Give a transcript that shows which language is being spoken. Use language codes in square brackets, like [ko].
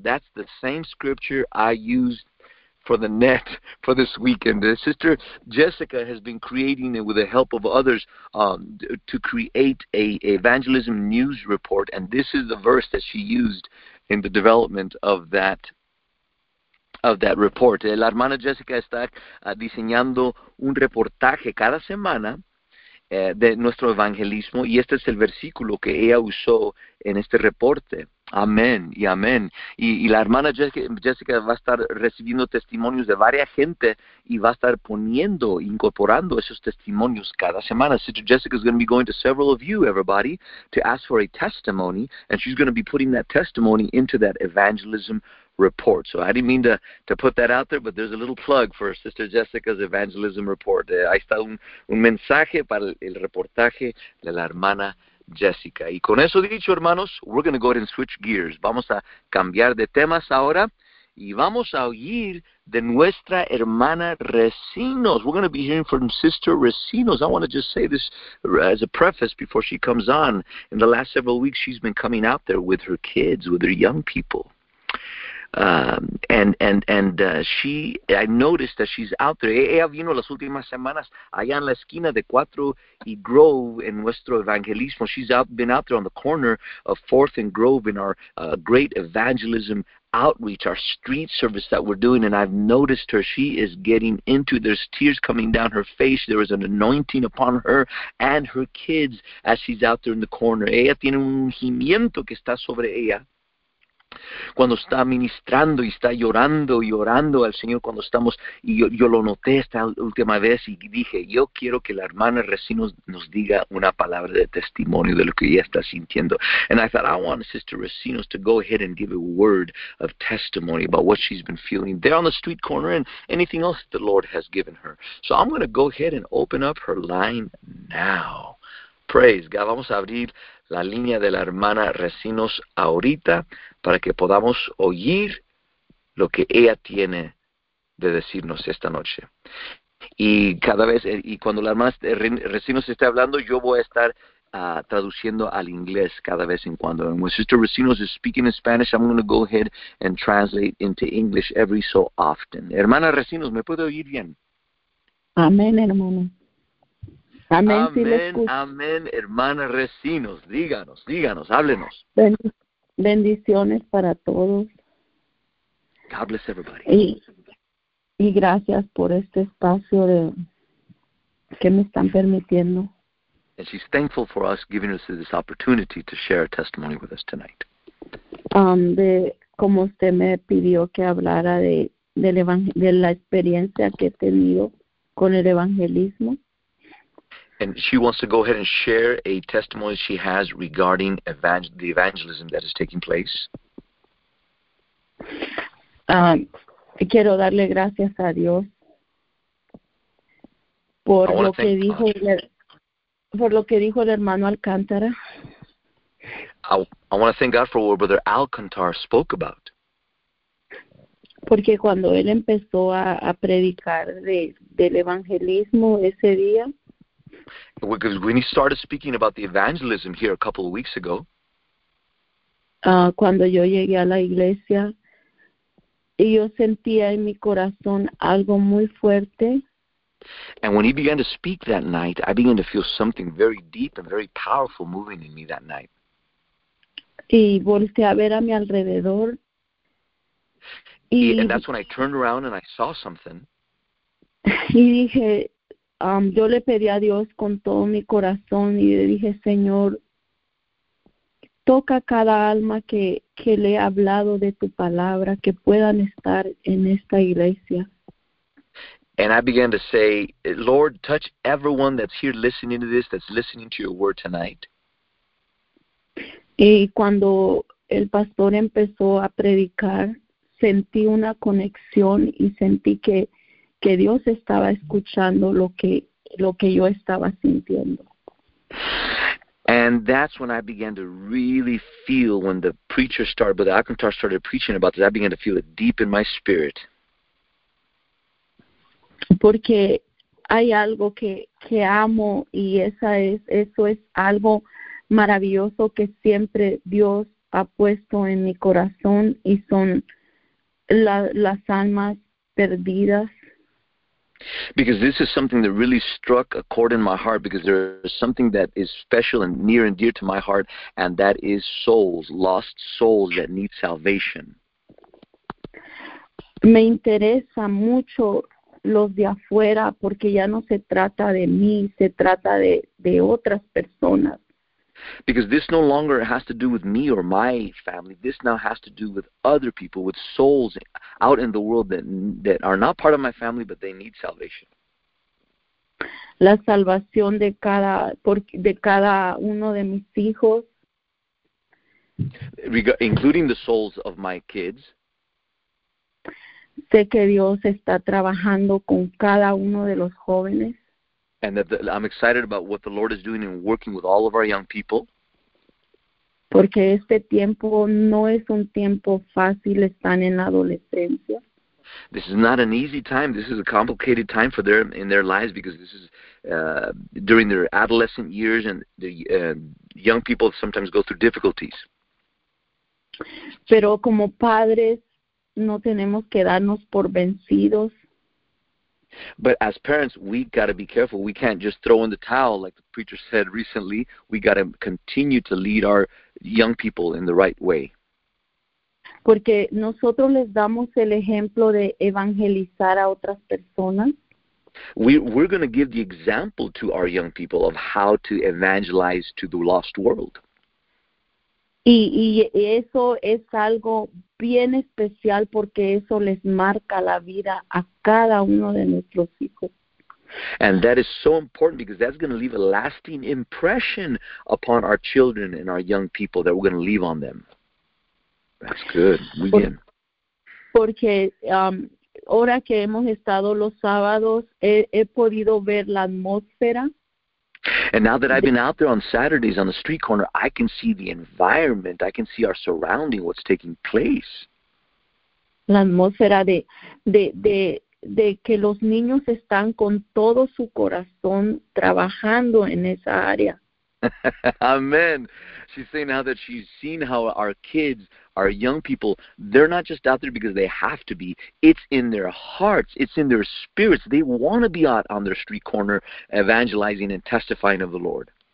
[en] That's the same scripture I used for the net for this weekend. Sister Jessica has been creating it with the help of others to create a evangelism news report. And this is the verse that she used in the development of that report. [es] La hermana Jessica está diseñando un reportaje cada semana de nuestro evangelismo, y este es el versículo que ella usó en este reporte. Amén y amén. Y la hermana Jessica va a estar recibiendo testimonios de varias gente y va a estar poniendo, incorporando esos testimonios cada semana. [en] Sister Jessica is going to be going to several of you, everybody, to ask for a testimony, and she's going to be putting that testimony into that evangelism report. So I didn't mean to put that out there, but there's a little plug for Sister Jessica's evangelism report. [es] Ahí está un mensaje para el reportaje de la hermana Jessica. Y con eso dicho, hermanos, [en] we're going to go ahead and switch gears. [es] Vamos a cambiar de temas ahora y vamos a oír de nuestra hermana Recinos. [en] We're going to be hearing from Sister Recinos. I want to just say this as a preface before she comes on. In the last several weeks, she's been coming out there with her kids, with her young people. She, I noticed that she's out there. [es] Ella vino las últimas semanas allá en la esquina de 4 y Grove en nuestro evangelismo. [en] She's been out there on the corner of 4th and Grove in our great evangelism outreach, our street service that we're doing, and I've noticed her. She is getting into, there's tears coming down her face. There is an anointing upon her and her kids as she's out there in the corner. [es] Ella tiene un ungimiento que está sobre ella. Cuando está ministrando y está llorando y orando al Señor, cuando estamos, y yo lo noté esta última vez y dije, yo quiero que la hermana Recinos nos diga una palabra de testimonio de lo que ella está sintiendo. [en] And I thought, I want Sister Recinos to go ahead and give a word of testimony about what she's been feeling there on the street corner and anything else that the Lord has given her. So I'm going to go ahead and open up her line now. Praise God. [es] Vamos a abrir la línea de la hermana Recinos ahorita para que podamos oír lo que ella tiene de decirnos esta noche. Y cada vez, y cuando la hermana Recinos esté hablando, yo voy a estar traduciendo al inglés cada vez en cuando. [en] And when Sister Recinos is speaking in Spanish, I'm going to go ahead and translate into English every so often. [es] Hermana Recinos, ¿me puede oír bien? Amén, hermano. Amén, amén, si amén, hermana Recinos, díganos, díganos, háblenos. Bendiciones para todos. [en] God bless everybody. [es] Y gracias por este espacio de que me están permitiendo. [en] And she's thankful for us giving us this opportunity to share a testimony with us tonight. [es] De como usted me pidió que hablara de la experiencia que he tenido con el evangelismo. [en] And she wants to go ahead and share a testimony she has regarding the evangelism that is taking place. [es] Quiero darle gracias a Dios por lo que dijo el hermano Alcántara. [en] I want to thank God for what Brother Alcantar spoke about. [es] Porque cuando él empezó a predicar del evangelismo ese día. [en] Because when he started speaking about the evangelism here a couple of weeks ago, [es] cuando yo llegué a la iglesia, y yo sentía en mi corazón algo muy fuerte. [en] And when he began to speak that night, I began to feel something very deep and very powerful moving in me that night. [es] Y volteé a ver a mi alrededor. [en] And that's when I turned around and I saw something. [es] Y dije, yo le pedí a Dios con todo mi corazón y le dije, Señor, toca cada alma que le he hablado de tu palabra, que puedan estar en esta iglesia. [en] And I began to say, Lord, touch everyone that's here listening to this, that's listening to your word tonight. [es] Y cuando el pastor empezó a predicar, sentí una conexión y sentí que Dios estaba escuchando lo que yo estaba sintiendo. [en] And that's when I began to really feel when the preacher started, Brother Akintar started preaching about this, I began to feel it deep in my spirit. [es] Porque hay algo que amo y eso es algo maravilloso que siempre Dios ha puesto en mi corazón y son las almas perdidas. [en] Because this is something that really struck a chord in my heart, because there is something that is special and near and dear to my heart, and that is souls, lost souls that need salvation. [es] Me interesa mucho los de afuera, porque ya no se trata de mí, se trata de otras personas. [en] Because this no longer has to do with me or my family. This now has to do with other people, with souls out in the world that are not part of my family, but they need salvation. [es] La salvación de cada uno de mis hijos. [en] Including the souls of my kids. [es] Sé que Dios está trabajando con cada uno de los jóvenes. [en] And that I'm excited about what the Lord is doing and working with all of our young people. [es] Porque este tiempo no es un tiempo fácil, están en la adolescencia. [en] This is not an easy time. This is a complicated time for them in their lives, because this is during their adolescent years, and the young people sometimes go through difficulties. [es] Pero como padres no tenemos que darnos por vencidos. [en] But as parents, we got to be careful. We can't just throw in the towel, like the preacher said recently. We got to continue to lead our young people in the right way. [es] Porque nosotros les damos el ejemplo de evangelizar a otras personas. [en] We're going to give the example to our young people of how to evangelize to the lost world. [es] Y eso es algo bien especial, porque eso les marca la vida a cada uno de nuestros hijos. [en] And that is so important, because that's going to leave a lasting impression upon our children and our young people that we're going to leave on them. That's good. [es] Muy bien. Porque ahora que hemos estado los sábados, he podido ver la atmósfera. [en] And now that I've been out there on Saturdays on the street corner, I can see the environment, I can see our surrounding, what's taking place. [es] La atmósfera de que los niños están con todo su corazón trabajando en esa área. [en] Amen. She's saying now that she's seen how our kids, our young people, they're not just out there because they have to be. It's in their hearts. It's in their spirits. They want to be out on their street corner evangelizing and testifying of the Lord.